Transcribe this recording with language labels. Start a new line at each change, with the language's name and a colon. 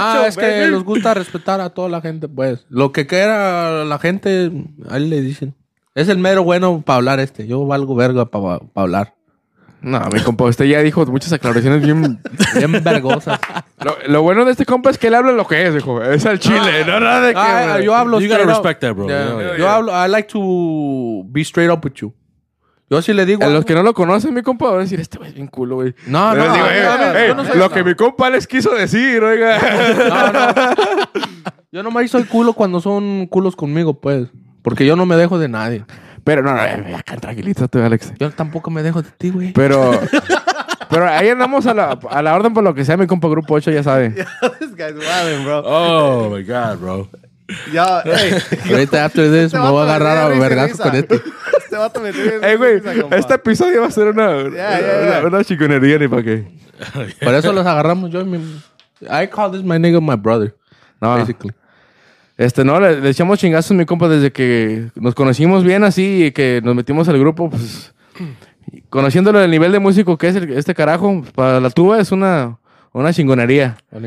Spanish: nah, es que nos gusta respetar a toda la gente, pues. Lo que quiera la gente, ahí le dicen. Es el mero bueno para hablar Yo valgo verga para hablar. No, mi compa, usted ya dijo muchas aclaraciones bien... bien vergosas. Lo bueno de este compa es que él habla lo que es, hijo. Es al chile. No, nada de que... yo hablo...
English: You gotta respect that, bro. Yeah,
Spanish: yo hablo...
English: I like to be straight up with you.
Spanish: Yo sí le digo... A los que no lo conocen, mi compa, van a decir, este güey es bien culo, güey. No, no. Digo, hey, no sé lo que mi compa les quiso decir, oiga. No, no. Yo nomás soy culo cuando son culos conmigo, pues. Porque yo no me dejo de nadie. Pero no, acá tranquilízate, Alex. Yo tampoco me dejo de ti, güey. Pero pero ahí andamos a la orden por lo que sea, mi compa Grupo 8, ya sabe.
English: This guy's wilding, bro. Oh, my God, bro.
Spanish: Ya, hey. Ahorita,
English: after this,
Spanish: me voy a agarrar a vergas con esto. Este vato me tiene en güey, este episodio va a ser una chiconería, ni para qué. Por eso los agarramos yo y mi...
English: I call this my nigga my brother, no. Basically.
Spanish: No, le echamos chingazos, mi compa, desde que nos conocimos bien así y que nos metimos al grupo, pues, conociéndolo del nivel de músico que es este carajo, para la tuba es una chingonería.